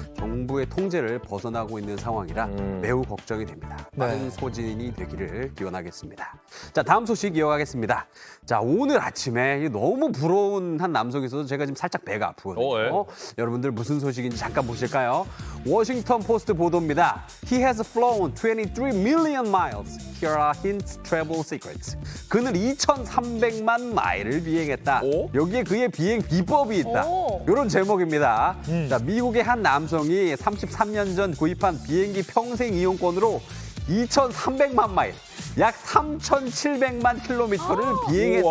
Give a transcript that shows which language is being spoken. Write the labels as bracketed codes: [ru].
[ko] 정부의 통제를 벗어나고 있는 상황이라 매우 걱정이 됩니다. 빠른 소진이 되기를 기원하겠습니다. 자, 다음 소식 이어가겠습니다. 자, 오늘 아침에 너무 부러운 한 남성이 있어서 제가 지금 살짝 배가 아프거든요. 여러분들 무슨 소식인지 잠깐 보실까요? 워싱턴 포스트 보도입니다. [en] He has flown 23 million miles. Here are his travel secrets. [ko] 그는 2,300만 마일을 비행했다. 오? 여기에 그의 비행 비법이 있다. 이런 제목입니다. 자, 미국의 한 남성이 33년 전 구입한 비행기 평생 이용권으로 2,300만 마일, 약 3,700만 킬로미터를 비행했습니다.